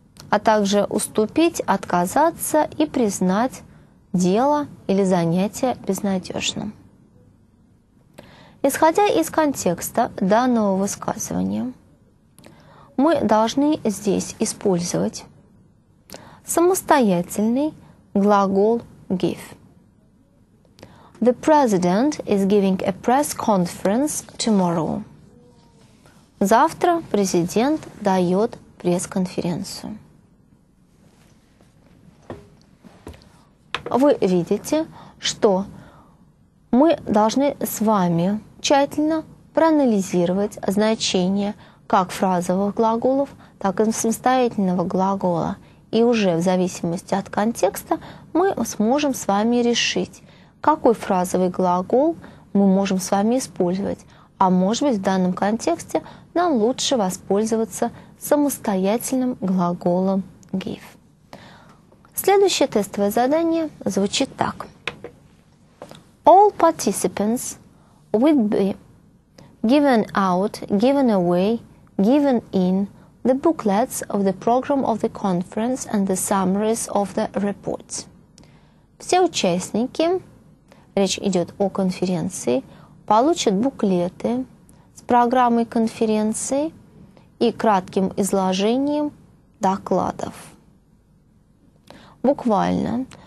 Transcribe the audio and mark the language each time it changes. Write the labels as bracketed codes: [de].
[ru] А также уступить, отказаться и признать дело или занятие безнадежным. Исходя из контекста данного высказывания, мы должны здесь использовать самостоятельный глагол give. [en] The president is giving a press conference tomorrow. [ru] Завтра президент дает пресс-конференцию. Вы видите, что мы должны с вами тщательно проанализировать значение как фразовых глаголов, так и самостоятельного глагола. И уже в зависимости от контекста мы сможем с вами решить, какой фразовый глагол мы можем с вами использовать. А может быть, в данном контексте нам лучше воспользоваться самостоятельным глаголом give. Следующее тестовое задание звучит так. [en] All participants would be given out, given away, given in the booklets of the program of the conference and the summaries of the reports. [ru] Все участники, речь идет о конференции, получат буклеты с программой конференции и кратким изложением докладов. Буквально.